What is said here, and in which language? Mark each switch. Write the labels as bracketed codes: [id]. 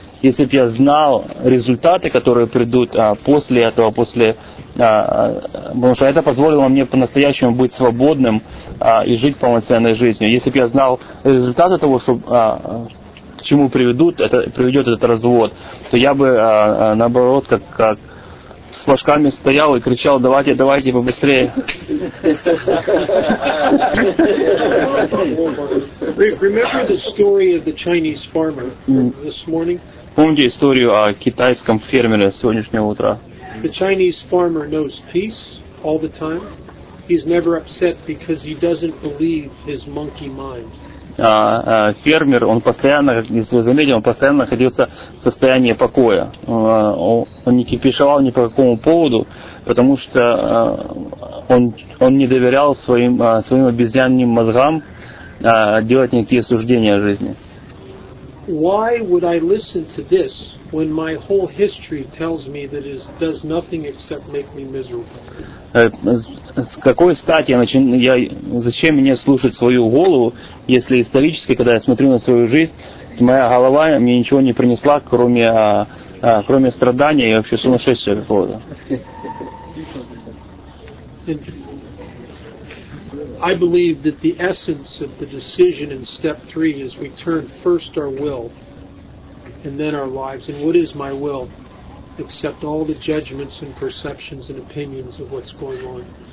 [ru] Если бы я знал результаты, которые придут после этого, потому что это позволило мне по-настоящему быть свободным и жить полноценной жизнью. Если бы я знал результаты того, к чему приведет этот развод, то я бы наоборот как с флажками стоял и кричал: давайте побыстрее. [en] Remember the story of the Chinese farmer this morning? [ru] Помните историю о китайском фермере сегодняшнего утра? [en] The Chinese farmer knows peace all the time. He's never upset because he doesn't believe his monkey mind. [ru] Фермер, он постоянно, если вы заметили, он постоянно находился в состоянии покоя. Он не кипишевал ни по какому поводу, потому что он не доверял своим обезьянным мозгам делать никакие суждения о жизни. [en] Why would I listen to this when my whole history tells me that it does nothing except make me miserable? [ru] С какой стати зачем мне слушать свою голову, если исторически, когда я смотрю на свою жизнь, моя голова мне ничего не принесла, кроме страдания и вообще сумасшествия какого-то? [en] I believe that the essence of the decision in step three is we turn first our will and then our lives. And what is my will? Accept all the judgments and perceptions and opinions of what's going on.